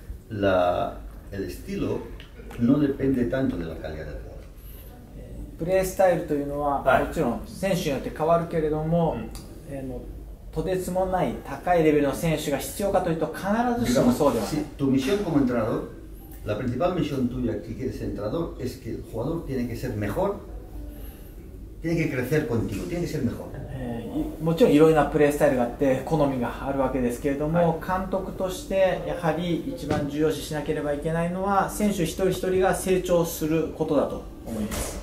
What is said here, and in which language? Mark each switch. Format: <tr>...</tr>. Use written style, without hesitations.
<es>el estilo no depende tanto de la calidad del jugador.</es> <ja>プレースタイルというのは、はい、もちろん選手によって変わるけれども、うん、とてつもない高いレベルの選手が必要かというと必ずしもそうではない。</ja> <es>Tu misión como entrenador, la principal misión tuya que quieres entrenador es que el jugador tiene que ser mejor, tiene que crecer contigo, tiene que ser mejor.</es> <ja>もちろんいろいろなプレースタイルがあって好みがあるわけですけれども、はい、監督としてやはり一番重要視しなければいけないのは選手一人一人が成長することだと思います。</ja>